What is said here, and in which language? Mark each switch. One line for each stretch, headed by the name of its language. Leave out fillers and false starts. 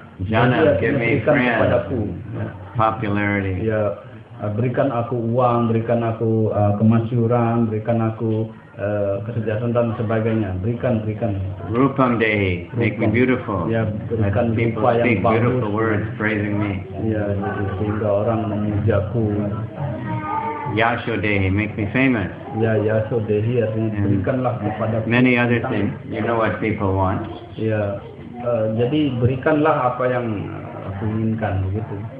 English: Janam, give me friends, popularity.
Indonesian: Ya, berikan aku uang, berikan aku kemasyuran, berikan aku kesejahteraan dan sebagainya. Berikan.
English: Rupam Dehi, make me beautiful.
Indonesian: Ya, berikan rupa yang bagus.
English: Beautiful words praising me.
Indonesian: Ya, sehingga orang memujaku.
English: Yasho Dehi, make me famous.
Indonesian: Ya, Yasho Dehi, berikanlah kepada
English: many other things. You know what people want.
Indonesian: Ya, jadi berikanlah apa yang aku inginkan, begitu.